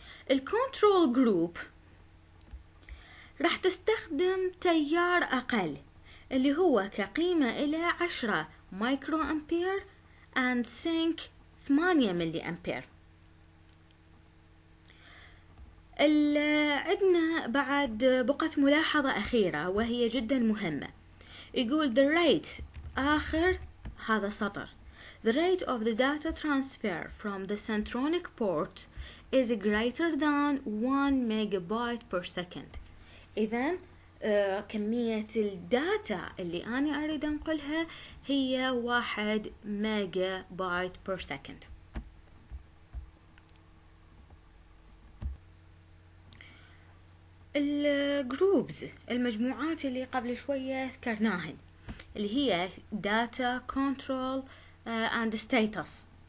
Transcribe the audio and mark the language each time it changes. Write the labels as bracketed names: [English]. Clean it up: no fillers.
[Arabic] الكنترول جروب راح تستخدم تيار أقل اللي هو كقيمة إلى 10 مايكرو أمبير and sink 8 ملي أمبير. عندنا بعد بقعة ملاحظة أخيرة وهي جدا مهمة. يقول the rate آخر هذا السطر. [English] The rate of the data transfer from the Centronic port is greater than 1 megabyte per second. [Arabic] إذن كمية الداتا اللي أنا أريد أنقلها هي [English] 1 megabyte per second. [Arabic] الجروبز المجموعات اللي قبل شوية ذكرناهن اللي هي Data Control and Status.